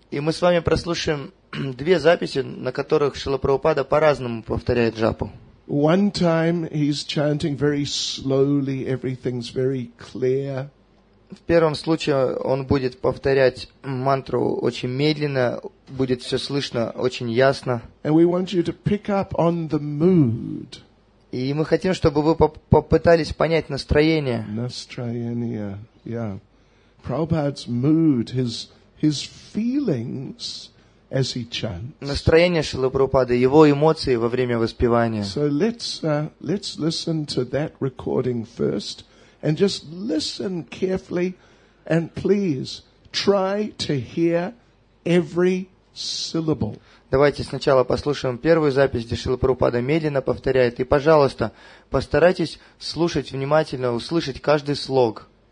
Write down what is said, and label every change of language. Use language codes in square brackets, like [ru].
[ru] И мы с вами прослушаем две записи, на которых Шрила Прабхупада по-разному повторяет джапу. [en] One time he's chanting very slowly, everything's very clear. [ru] В первом случае он будет повторять мантру очень медленно, будет все слышно очень ясно. [en] And we want you to pick up on the mood. [ru] И мы хотим, чтобы вы попытались понять настроение. Настроение, [en] yeah. Prabhupada's mood, his feelings as he chants. [ru] Настроение Шрилы Прабхупады, его эмоции во время воспевания. [en] So let's listen to that recording first, and just listen carefully, and please try to hear every syllable. [ru] Давайте сначала послушаем первую запись, где Шрила Прабхупада медленно повторяет. И, пожалуйста, постарайтесь слушать внимательно, услышать каждый слог.